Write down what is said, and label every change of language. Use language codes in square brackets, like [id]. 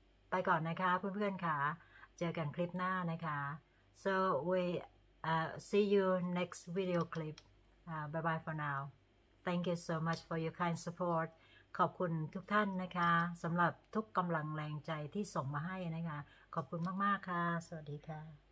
[th] ไปก่อนนะคะเพื่อนเพื่อนค่ะเจอกันคลิปหน้านะคะ [en] so we see you next video clip. Bye bye for now. Thank you so much for your kind support. [th] ขอบคุณทุกท่านนะคะสำหรับทุกกำลังแรงใจที่ส่งมาให้นะคะขอบคุณมากมากค่ะสวัสดีค่ะ